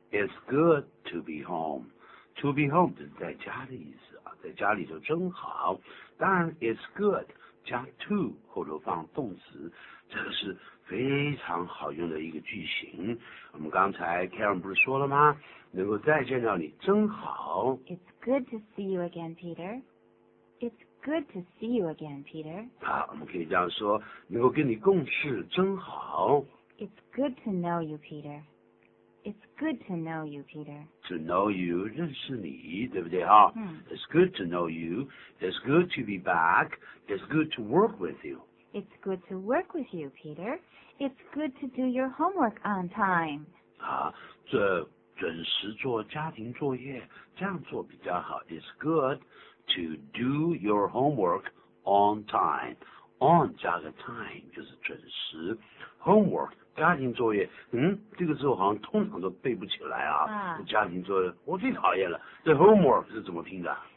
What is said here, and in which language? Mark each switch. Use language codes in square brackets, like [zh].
[en] It's good to be home. To be home [zh] 就是在家的意思啊，在家里就真好。当然 [en] It's good [zh] 加 to 后头放动词，这个是非常好用的一个句型。我们刚才 Karen 不是说了吗？能够再见到你真好。 [en] It's good to see you again, Peter. It's good to see you again, Peter. [zh] 好，我们可以这样说，能够跟你共事真好。 [en] It's good to know you, Peter. It's good to know you, Peter. To know you, [zh] 认识你，对不对啊、 [en] It's good to know you. It's good to be back. It's good to work with you. It's good to work with you, Peter. It's good to do your homework on time. [zh] 啊，这准时做家庭作业，这样做比较好。 [en] It's good to do your homework on time. [zh] On 加个 time 就是准时。Homework 家庭作业，这个字好像通常都背不起来啊。啊家庭作业我最讨厌了。这 homework 是怎么拼的